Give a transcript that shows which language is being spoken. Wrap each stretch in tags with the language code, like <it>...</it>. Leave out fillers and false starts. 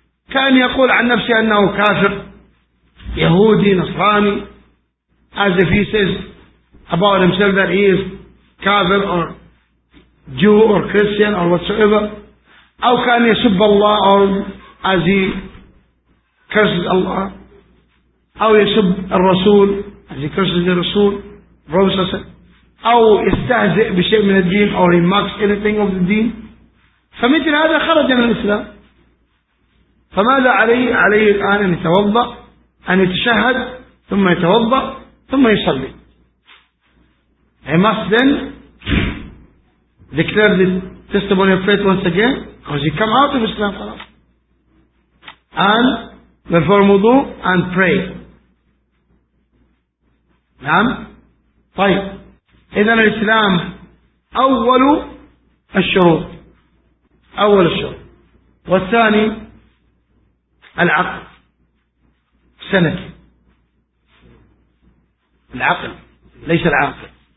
<ar>كان يقول عن نفسه أنه كافر يهودي نصراني.</ar> <en>As if he says about himself that he is كافر or Jew or Christian or whatsoever.</en> <ar>أو كان يسب الله</ar> <en>or as he curses Allah.</en> <ar>أو يسب الرسول</ar> <en>as he curses the Rasul promises,</en> <ar>أو يستهزئ بشيء من الدين</ar> <en>or he mocks anything of the deen.</en> <ar>فمثل هذا خرج من الإسلام. فماذا عليه؟ عليه الآن أن يتوضأ أن يتشهد ثم يتوضأ ثم يصلي.</ar> <en>He must then declare the testimony of faith once again because he come out of Islam and perform wudu and pray.</en> <ar>نعم. طيب إذا الإسلام أول الشروط. أول الشروط. والثاني العقل. سنة العقل ليس العاقل.</ar>